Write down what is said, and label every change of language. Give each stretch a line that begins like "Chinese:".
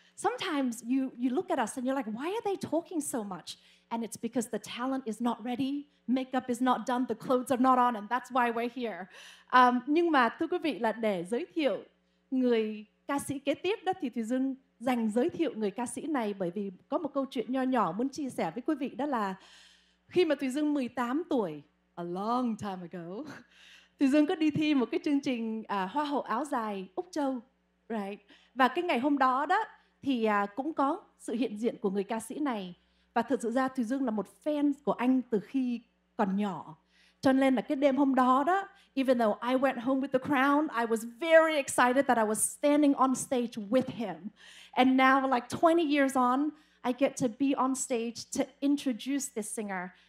English: Sometimes you look at us and you're like, why are they talking so much? And it's because the talent is not ready, makeup is not done, the clothes are not on, and that's why we're here.
Vietnamese: Nhưng mà thưa quý vị, là để giới thiệu người ca sĩ kế tiếp đó, thì Thùy Dương dành giới thiệu người ca sĩ này bởi vì có một câu chuyện nho nhỏ muốn chia sẻ với quý vị, đó là khi mà Thùy Dương 18 tuổi,
English: a long time ago,
Vietnamese: Thùy Dương có đi thi một cái chương trình Hoa hậu áo dài Úc Châu,
English: right?
Vietnamese: Và cái ngày hôm đó đó, thì cũng có sự hiện diện của người ca sĩ này. Và thực sự ra Thùy Dương là một fan của anh từ khi còn nhỏ. Cho nên là cái đêm hôm đó đó,
English: even though I went home with the crown, I was very excited that I was standing on stage with him. And now, like 20 years on, I get to be on stage to introduce this singer.